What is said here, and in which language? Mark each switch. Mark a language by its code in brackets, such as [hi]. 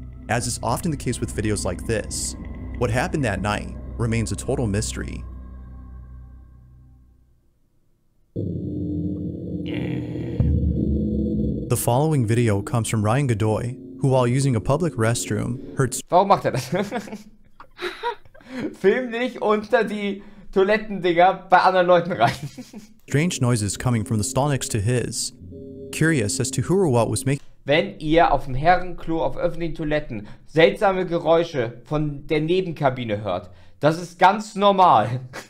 [en] As is often the case with videos like this, what happened that night remains a total mystery. The following video comes from Ryan Godoy, who, while using a public restroom, hurts. [de] Warum macht er das? Film nicht unter die Toilettendinger bei anderen Leuten rein. [en] Strange noises coming from the stall next to his. Curious as to who or what was making. [de] Wenn ihr auf dem Herrenklo auf öffentlichen Toiletten seltsame Geräusche von der Nebenkabine hört, das ist ganz normal.